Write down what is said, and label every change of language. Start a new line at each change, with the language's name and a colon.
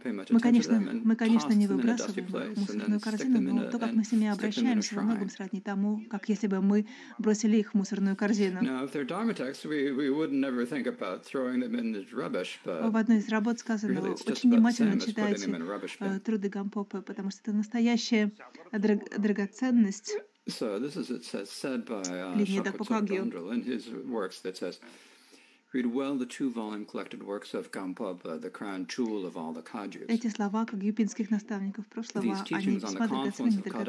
Russian: Мы, конечно, не выбрасываем их в мусорную корзину, но то, как мы с ними обращаемся, во многом сродни тому, как если бы мы бросили их в мусорную корзину.
English: Now, if they're Dharma texts, we would never think about throwing them in the rubbish.
Russian: В одной из работ сказано, очень внимательно читайте труды Гампопы, потому что это настоящая драгоценность.
English: So this is it says said by Shakotsundrel in his works that says. Read well the two-volume collected works of Gampopa, the crown jewel of all the Kagyus.
Russian: Эти слова как юпинских наставников прошлого, они весьма драгоценны.